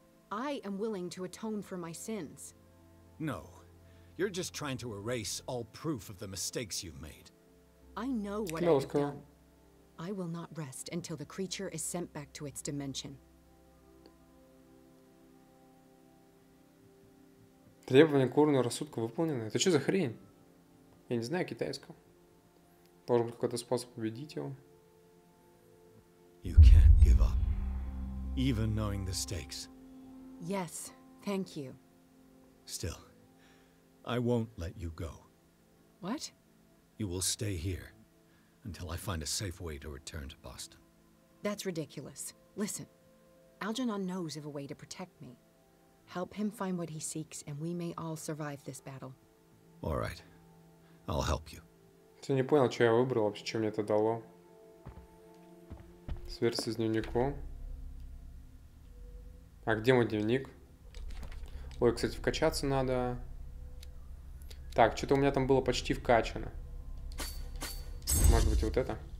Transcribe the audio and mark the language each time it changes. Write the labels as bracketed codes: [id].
[en] I am willing to atone for my sins. No. You're just trying to erase all proof of the mistakes you've made. I know what I've done. I will not rest until the creature is sent back to its dimension. [ru] Требования к уровню рассудка выполнены. Это что за хрень? Я не знаю китайского. Должен быть какой-то способ победить его. [en] You can't give up, even knowing the stakes. Yes, thank you. Still, I won't let you go. What? You will stay here until I find a safe way to return to Boston. That's ridiculous. Listen, Algernon knows of a way to protect me. Help him find what he seeks, and we may all survive this battle. All right. I'll help you. [ru] Ты не понял, что я выбрал вообще, что мне это дало? Сверся с дневником. А где мой дневник? Ой, кстати, вкачаться надо. Так, что-то у меня там было почти вкачано. Может быть, вот это?